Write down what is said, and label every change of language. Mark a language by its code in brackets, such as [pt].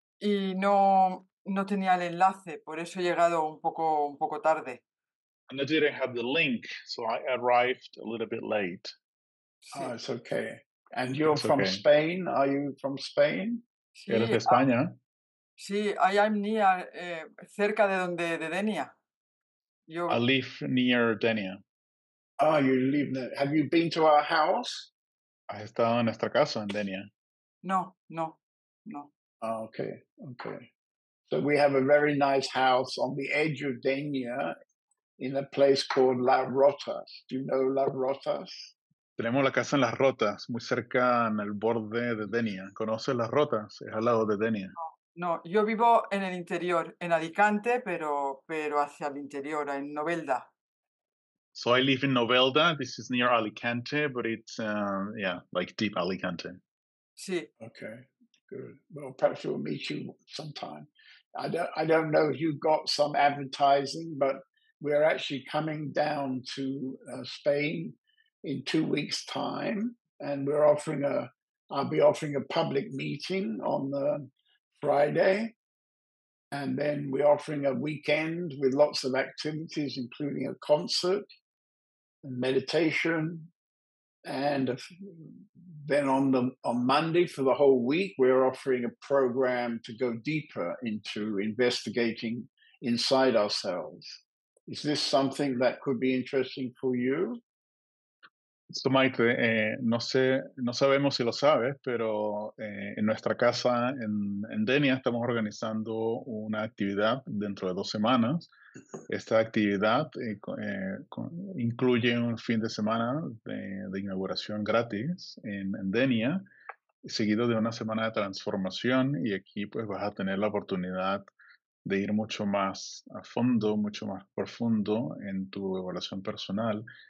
[es] Y no tenía el enlace, por eso he llegado un poco tarde. [en] And I didn't have the link, so I arrived a little bit late. Sí. Ah, it's okay. And you're it's from okay. Spain? Are you from Spain? [es] Sí, eres de España. Sí, [en] I am near, [es] cerca de donde, de Denia. Yo... I live near Denia. [en] Ah, oh, you live there. Have you been to our house? [es] ¿Has estado en nuestra casa, en Denia? No. [en] Oh, okay. So we have a very nice house on the edge of Denia in a place called La Rotas. Do you know La Rotas? [es] Tenemos la casa en Las Rotas, muy cerca en el borde de Denia. ¿Conoces Las Rotas? Es al lado de Denia. No, yo vivo en el interior, en Alicante, pero hacia el interior, en Novelda. [en] So I live in Novelda. This is near Alicante, but it's, like deep Alicante. [es] Sí. [en] Okay, good. Well, perhaps we'll meet you sometime. I don't know if you've got some advertising, but we're actually coming down to Spain in 2 weeks' time, and I'll be offering a public meeting on the Friday, and then we're offering a weekend with lots of activities, including a concert and meditation. And then on Monday for the whole week, we're offering a program to go deeper into investigating inside ourselves. Is this something that could be interesting for you? [es] So, Maite, no sabemos si lo sabes, pero en nuestra casa en Denia estamos organizando una actividad dentro de 2 semanas. Esta actividad incluye un fin de semana de inauguración gratis en Denia, seguido de una semana de transformación, y aquí pues vas a tener la oportunidad de ir mucho más a fondo, mucho más profundo en tu evaluación personal.